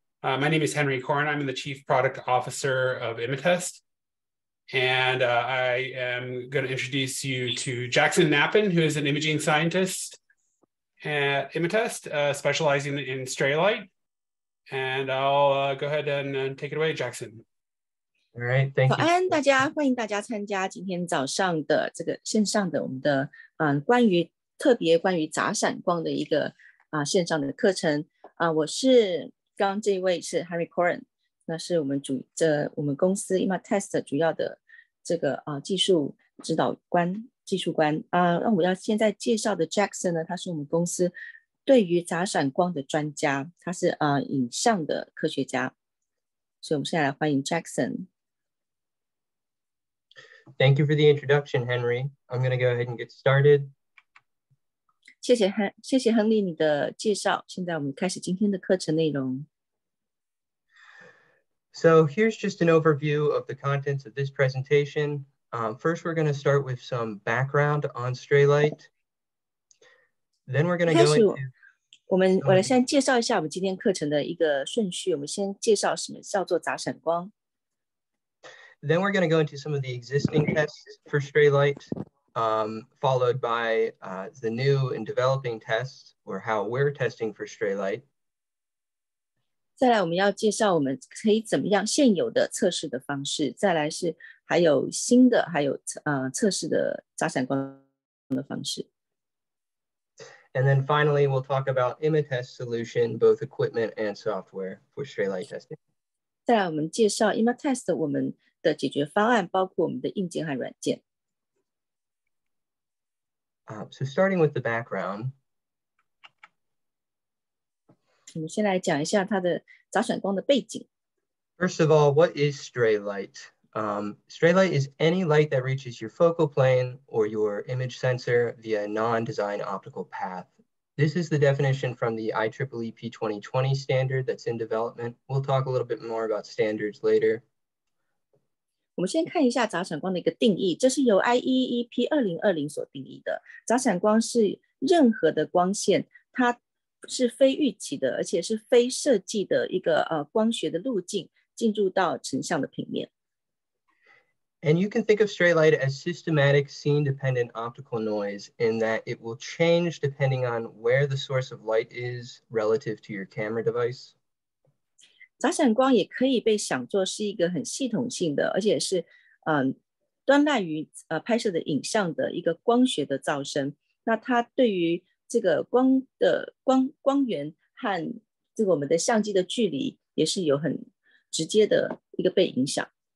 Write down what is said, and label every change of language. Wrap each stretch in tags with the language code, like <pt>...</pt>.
<en>My name is Henry Korn. I'm the Chief Product Officer of Imatest. And I am going to introduce you to Jackson Knappen, who is an imaging scientist at Imatest, specializing in Straylight. And I'll go ahead and take it away, Jackson. All right, thank you.</en> <zh>早安，大家，欢迎大家参加今天早上的这个线上的我们的关于特别关于杂闪光的一个线上的课程啊。我是刚这一位是 Henry Korn， 那是我们公司 Imatest 主要的这个技术指导官、技术官啊。那我要现在介绍的 Jackson 呢，他是我们公司对于杂闪光的专家，他是影像的科学家，所以我们现在来欢迎 Jackson。</zh> <en>Thank you for the introduction, Henry. I'm going to go ahead and get started.</en> <zh>谢谢亨利你的介绍。现在我们开始今天的课程内容。</zh> <en>So here's just an overview of the contents of this presentation. First, we're going to start with some background on Straylight. Then we're going to go into...</en> <zh>我来先介绍一下我们今天课程的一个顺序。我们先介绍什么叫做杂闪光。</zh> <en>Then we're going to go into some of the existing tests for Straylight, followed by the new and developing tests, or how we're testing for Straylight.</en> <zh>再来我们要介绍我们可以怎么样现有的测试的方式，再来是还有新的，还有测试的杂闪光的方式。</zh> <en>And then finally, we'll talk about Imatest solution, both equipment and software for Straylight testing.</en> <zh>再来我们介绍 Imatest 我们的解决方案，包括我们的硬件和软件。</zh> <en>So starting with the background,</en> <zh>我们先来讲一下它的杂闪光的背景。</zh> <en>First of all, what is stray light? Stray light is any light that reaches your focal plane or your image sensor via a non-design optical path. This is the definition from the IEEE P2020 standard that's in development. We'll talk a little bit more about standards later.</en> <zh>我们先看一下杂闪光的一个定义，这是由 IEEE P2020 所定义的。杂闪光是任何的光线，它是非预期的，而且是非设计的一个光学的路径进入到成像的平面。</zh> <en>And you can think of stray light as systematic scene-dependent optical noise in that it will change depending on where the source of light is relative to your camera device.</en> <zh>杂闪光也可以被想作是一个很系统性的，而且是端赖于拍摄的影像的一个光学的噪声。那它对于这个光的光源和这个我们的相机的距离也是有很直接的一个被影响。</zh>